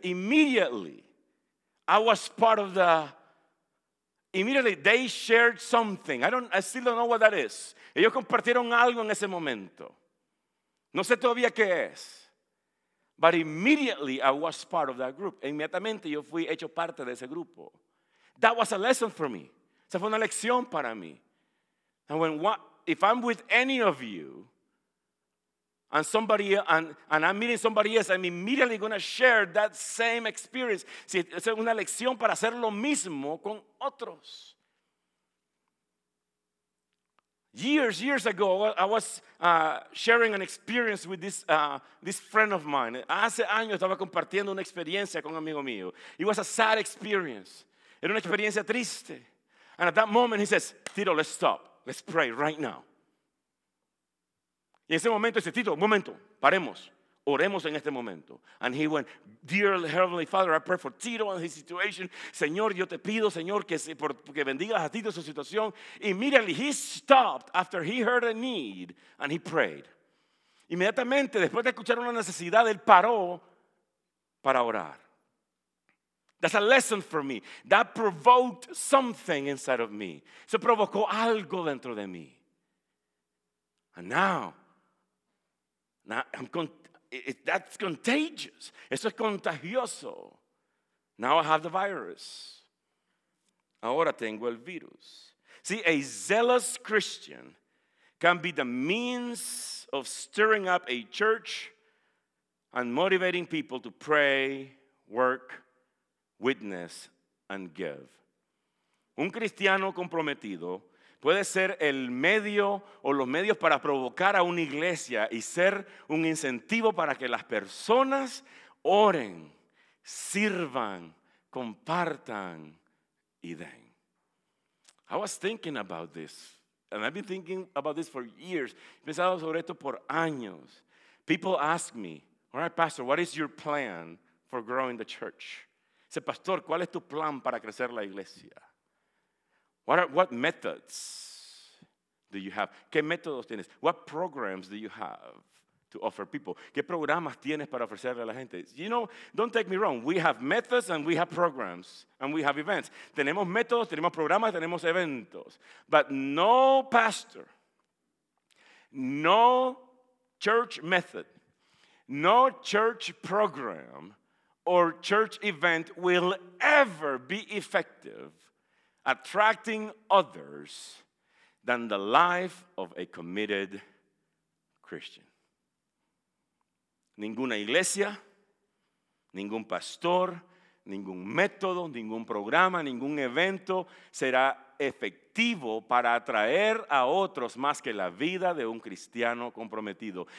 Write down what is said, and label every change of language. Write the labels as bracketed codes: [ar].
[en] Immediately, I was part of the... Immediately, they shared something. I still don't know what that is. [es] Ellos compartieron algo en ese momento. No sé todavía qué es. [en] But immediately, I was part of that group. [es] Inmediatamente, yo fui hecho parte de ese grupo. [en] That was a lesson for me. [es] Esa fue una lección para mí. [en] And when if I'm with any of you and somebody and I'm meeting somebody else, I'm immediately going to share that same experience. [es] Si, es una lección para hacer lo mismo con otros. [en] Years ago, I was sharing an experience with this friend of mine. [es] Hace años estaba compartiendo una experiencia con un amigo mío. [en] It was a sad experience. [es] Era una experiencia triste. [en] And at that moment, he says, Tito, let's stop. Let's pray right now. [es] Y en ese momento dice, Tito, un momento, paremos, oremos en este momento. [en] And he went, dear Heavenly Father, I pray for Tito and his situation. [es] Señor, yo te pido, Señor, que bendigas a Tito su situación. [en] Immediately he stopped after he heard a need and he prayed. [es] Inmediatamente, después de escuchar una necesidad, él paró para orar. [en] That's a lesson for me. That provoked something inside of me. [es] Se provocó algo dentro de mí. [en] And now that's contagious. [es] Eso es contagioso. [en] Now I have the virus. [es] Ahora tengo el virus. [en] See, a zealous Christian can be the means of stirring up a church and motivating people to pray, work, witness and give. [es] Un cristiano comprometido Puede ser el medio o los medios para provocar a una iglesia y ser un incentivo para que las personas oren, sirvan, compartan y den. [en] I was thinking about this, and I've been thinking about this for years. [es] He pensado sobre esto por años. [en] People ask me, all right, pastor, what is your plan for growing the church? [es] Dice, pastor, ¿cuál es tu plan para crecer la iglesia? [en] What methods do you have? [es] ¿Qué métodos tienes? [en] What programs do you have to offer people? [es] ¿Qué programas tienes para ofrecerle a la gente? [en] You know, don't take me wrong. We have methods and we have programs and we have events. [es] Tenemos métodos, tenemos programas, tenemos eventos. [en] But no pastor, no church method, no church program or church event will ever be effective attracting others than the life of a committed Christian. [es] Ninguna iglesia, ningún pastor, ningún método, ningún programa, ningún evento será efectivo para atraer a otros más que la vida de un cristiano comprometido.